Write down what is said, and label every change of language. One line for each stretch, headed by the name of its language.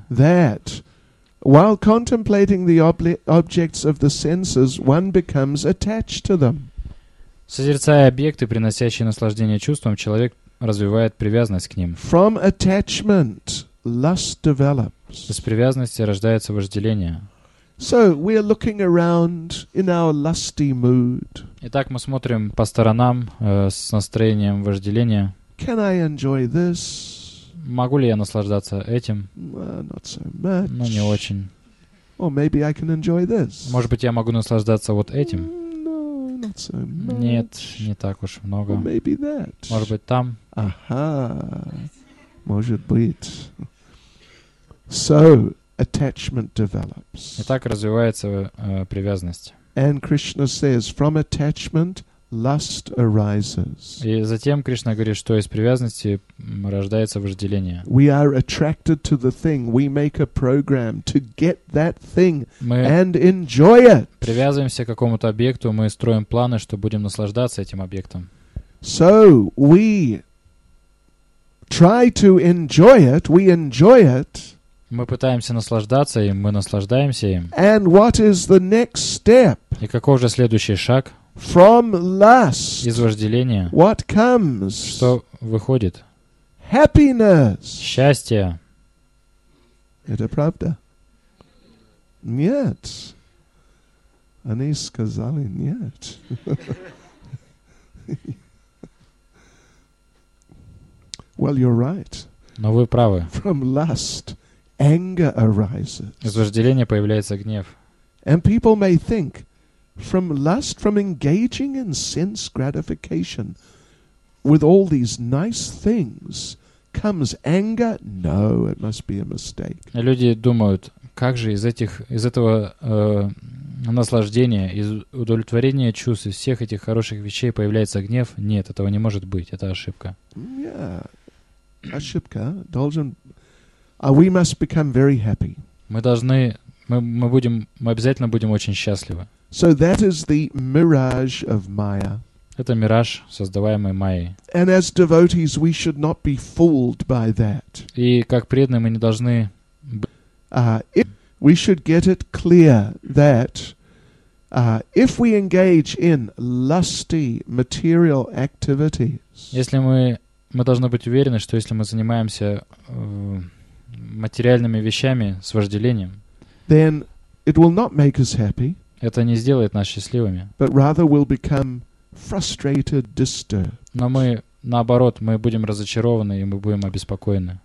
English: That while contemplating the objects of the senses, one becomes attached to them.
Russian: Созерцая объекты, приносящие наслаждение чувствам, человек развивает привязанность к ним.
English: From attachment. Lust develops.
Russian: Из привязанности рождается вожделение.
English: So we are looking around in our lusty mood.
Russian: Итак, мы смотрим по сторонам с настроением вожделения.
English: Can I enjoy this?
Russian: Могу ли я наслаждаться этим?
English: Not so much.
Russian: Ну, не очень.
English: Or maybe I can enjoy this.
Russian: Может быть, я могу наслаждаться вот этим?
English: No, not so much.
Russian: Нет, не так уж много.
English: Or maybe that.
Russian: Может быть, там? Ага. Может быть.
English: So attachment develops.
Russian: Итак, развивается привязанность.
English: And Krishna says, from attachment, lust arises.
Russian: И затем Кришна говорит, что из привязанности рождается вожделение.
English: We are attracted to the thing. We make a program to get that thing and enjoy it.
Russian: Привязываемся к какому-то объекту, мы строим планы, что будем наслаждаться этим объектом.
English: So we try to enjoy it, we enjoy it.
Russian: Мы пытаемся наслаждаться им, мы наслаждаемся им.
English: And what is the next step?
Russian: И каков же следующий шаг?
English: From lust.
Russian: Из вожделения.
English: What comes?
Russian: Что выходит?
English: Happiness.
Russian: Счастье. Это правда? Нет. Они сказали нет.
English: Well, you're right.
Russian: Но вы правы.
English: From lust, anger arises.
Russian: Из вожделения появляется гнев.
English: And people may think, from lust, from engaging in sense gratification, with all these nice things, comes anger? No, it must be a mistake.
Russian: Люди думают, как же из этого наслаждения, из удовлетворения чувств, из всех этих хороших вещей появляется гнев? Нет, этого не может быть, это ошибка.
English: Yeah,
Russian: ошибка.
English: We must become very happy.
Russian: Мы обязательно будем очень счастливы.
English: So that is the mirage of Maya.
Russian: Это мираж, создаваемый Майей.
English: And as devotees, we should not be fooled by that.
Russian: И как преданные мы не должны.
English: We should get it clear that if we engage in lusty material activities.
Russian: Если мы должны быть уверены, что если мы занимаемся материальными вещами с вожделением,
English: then it will not make us happy.
Russian: Это не сделает нас счастливыми.
English: But rather will become frustrated, disturbed.
Russian: Но мы, наоборот, мы будем разочарованы и мы будем обеспокоены.